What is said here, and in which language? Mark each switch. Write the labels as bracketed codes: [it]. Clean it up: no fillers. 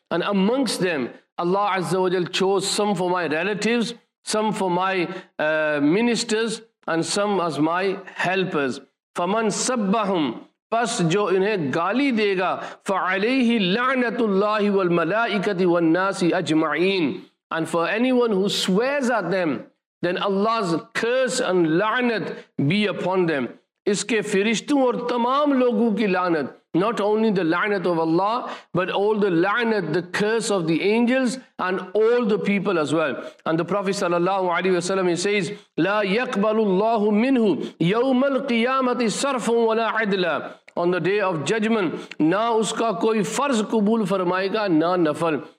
[en] And amongst them, Allah Azza wa Jal chose some for my relatives, some for my ministers, and some as my helpers. [ar] فَمَنْ سَبَّهُمْ [ur] پَسْ جو انہیں گالی دے گا [ar] فَعَلَيْهِ لَعْنَةُ اللَّهِ وَالْمَلَائِكَةِ وَالنَّاسِ أَجْمَعِينَ. [en] And for anyone who swears at them, then Allah's curse and la'nat be upon them. [ur] اس کے فرشتوں اور تمام لوگوں کی لعنت. [en] Not only the la'nat of Allah, but all the la'nat, the curse of the angels and all the people as well. And the Prophet sallallahu alaihi wasallam, he says, [ar] لا يقبل الله منه يوم القيامة صرف ولا عدل. [en] On the day of judgment, [ur] na uska koi farz kubul farmayega, na nafal.